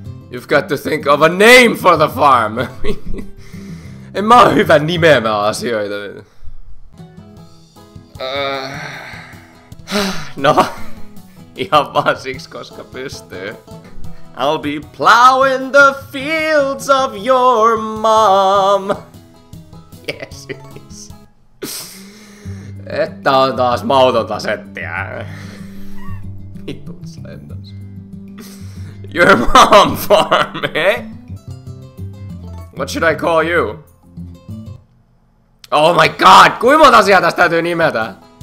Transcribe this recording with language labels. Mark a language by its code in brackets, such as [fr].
[en] You've got to think of a name for the farm! [fi] En mä oo hyvä nimeämään asioita. No, ihan vaan siksi, koska pystyy. [en] I'll be plowing the fields of your mom! Yes, it is. [fi] Että on taas mautonta settiä. Vitun sentas. [en] Your mom farm, eh? What should I call you? Oh my god, [fi] kuinka monta asiaa tästä täytyy nimetä?